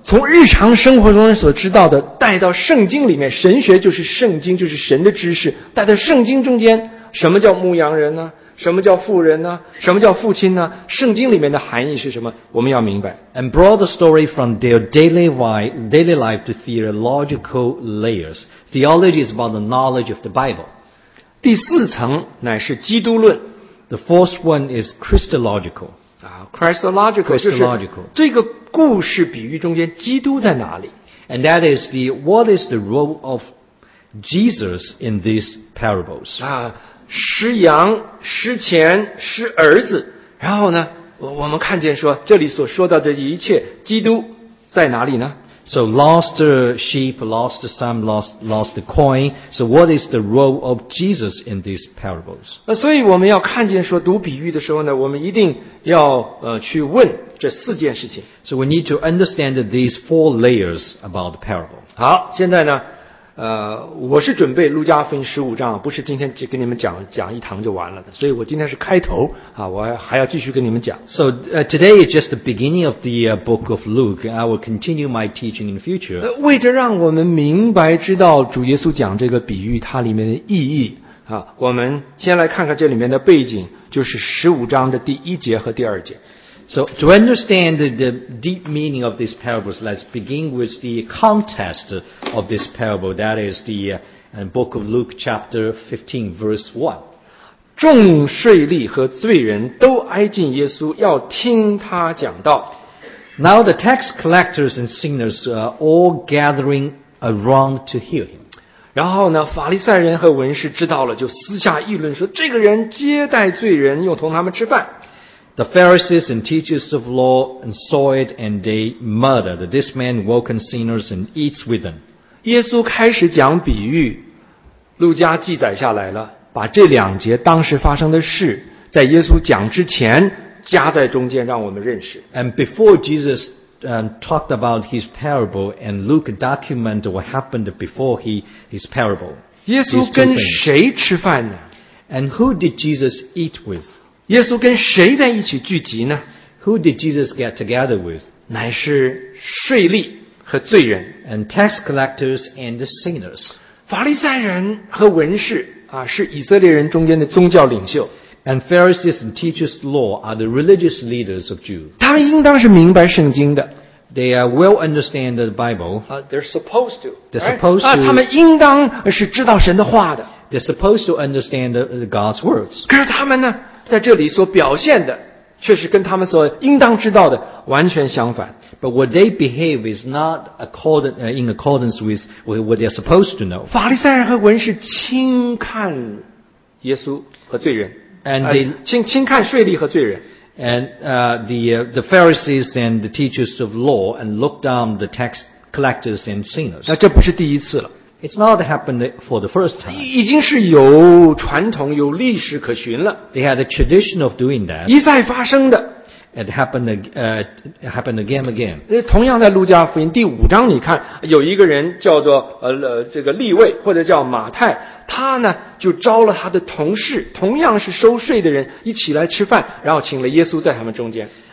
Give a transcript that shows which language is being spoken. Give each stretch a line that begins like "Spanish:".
Chinese: 从日常生活中所知道的带到圣经里面，神学就是圣经，就是神的知识，带到圣经中间，什么叫牧羊人呢？什么叫妇人呢？什么叫父亲呢？圣经里面的含义是什么？我们要明白。
English: And brought the story from their daily life to theological layers. Theology is about the knowledge of the Bible.
Chinese: 第四层乃是基督论。
English: The fourth one is Christological.
Chinese: Christological 就是这个故事比喻中间基督在哪里？
English: And that is the what is the role of Jesus in these parables? 啊。
Chinese: 失羊、失钱、失儿子，然后呢，我们看见说，这里所说到的一切，基督在哪里呢
English: ？So lost the sheep, lost the son, lost the coin. So what is the role of Jesus in these parables？
Chinese: 那所以我们要看见说，读比喻的时候呢，我们一定要去问这四件事情。
English: So we need to understand these four layers about the parable.
Chinese: 好，现在呢？我是准备路加福音十五章，不是今天就跟你们讲一堂就完了的，所以我今天是开头啊，我还要继续跟你们讲。
English: So today is just the beginning of the book of Luke. I will continue my teaching in the future.
Chinese: 为着让我们明白知道主耶稣讲这个比喻它里面的意义啊，我们先来看看这里面的背景，就是十五章的第一节和第二节。
English: So to understand the deep meaning of these parables, let's begin with the context of this parable. That is the book of Luke chapter 15 verse 1.
Chinese: 众税吏和罪人都挨近耶稣要听他讲道。
English: Now the tax collectors and sinners are all gathering around to hear him.
Chinese: 然后呢法利赛人和文士知道了就私下议论说这个人接待罪人又同他们吃饭。
English: The Pharisees and teachers of law and saw it and they muttered, this man welcomes sinners and eats with them.
Chinese: 耶稣开始讲比喻，路加记载下来了，把这两节当时发生的事在耶稣讲之前加在中间让我们认识。
English: And before Jesus talked about his parable and Luke documented what happened before his parable.
Chinese: 耶稣跟谁吃饭呢？
English: And who did Jesus eat with?
Chinese: 耶稣跟谁在一起聚集呢？
English: Who did Jesus get together with?
Chinese: 乃是税吏和罪人。
English: And tax collectors and the sinners.
Chinese: 法利赛人和文士啊，是以色列人中间的宗教领袖。
English: And Pharisees and teachers of law are the religious leaders of Jews.
Chinese: 他们应当是明白圣经的。
English: They are well understand the Bible. They're supposed to. They're supposed to.
Chinese: 他们应当是知道神的话的。
English: They're supposed to understand God's words.
Chinese: 可是他们呢？在这里所表现的却是跟他们所应当知道的完全相反。
English: But what they behave is not in accordance with what they are supposed to know.
Chinese: 法利赛人和文士轻看耶稣和罪人。
English: And they,
Chinese: 轻看税吏和罪人。
English: And the Pharisees and the teachers of law and look down the tax collectors and sinners.
Chinese: 那这不是第一次了。
English: It's not happened for the first time.
Chinese: 已经是有传统有历史可循了。
English: They had a tradition of doing that.
Chinese: 一再发生的。
English: It happened again and again.
Chinese: 同样在路加福音第五章你看有一个人叫做这个利未或者叫马太他呢就招了他的同事同样是收税的人一起来吃饭然后请了耶稣在他们中间。